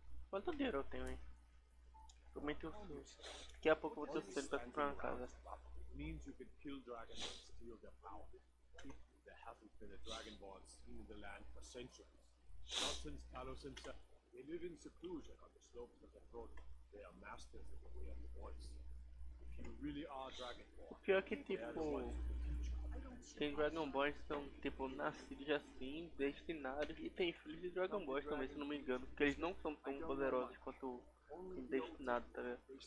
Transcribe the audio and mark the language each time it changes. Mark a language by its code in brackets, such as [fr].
[pt] Quanto dinheiro eu tenho, hein? Prometo que a pouco eu vou ter pra comprar uma casa. [en] Means you could kill dragons and steal their power. There hasn't been a dragonborn seen in the land for centuries. Not since Talos himself. They live in seclusion on the slopes of the throne. They are masters of the way of the voice. If you really are dragonborn, [pt] pior que tipo, tem dragonborns que são tipo nascidos assim, destinados, e tem filhos de dragonborns também, se não me engano, porque eles não são tão poderosos quanto destinados, tá ligado?